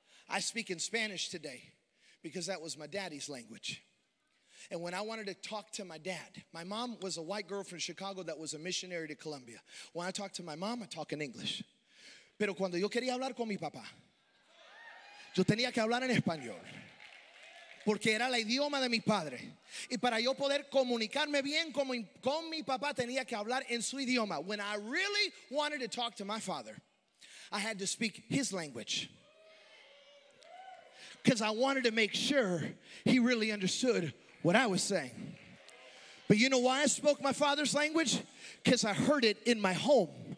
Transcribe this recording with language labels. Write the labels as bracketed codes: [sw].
[en] I speak in Spanish today because that was my daddy's language. And when I wanted to talk to my dad, my mom was a white girl from Chicago that was a missionary to Colombia. When I talk to my mom, I talk in English. [es] Pero cuando yo quería hablar con mi papá, yo tenía que hablar en español. Porque era el idioma de mi padre. Y para yo poder comunicarme bien con mi papá, tenía que hablar en su idioma. [en] When I really wanted to talk to my father, I had to speak his language. Because I wanted to make sure he really understood what I was saying. But you know why I spoke my father's language? Because I heard it in my home.